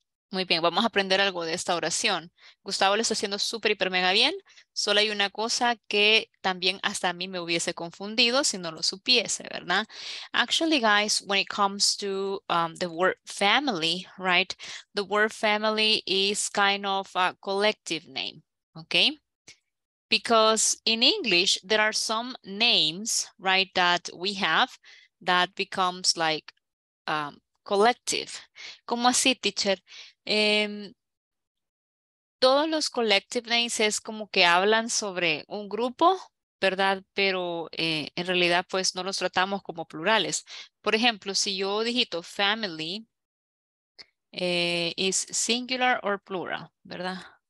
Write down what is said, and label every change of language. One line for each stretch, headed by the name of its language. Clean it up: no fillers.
Spanish: Muy bien, vamos a aprender algo de esta oración. Gustavo lo está haciendo súper, hiper, mega bien. Solo hay una cosa que también hasta a mí me hubiese confundido si no lo supiese, ¿verdad?
English: Actually, guys, when it comes to the word family, right? The word family is kind of a collective name, okay? Because in English, there are some names, right, that we have that becomes like collective.
Spanish: ¿Cómo así, teacher? Todos los collective names es como que hablan sobre un grupo, ¿verdad? Pero en realidad pues no los tratamos como plurales. Por ejemplo, si yo digito family,
English: is singular or plural,
Spanish: ¿verdad?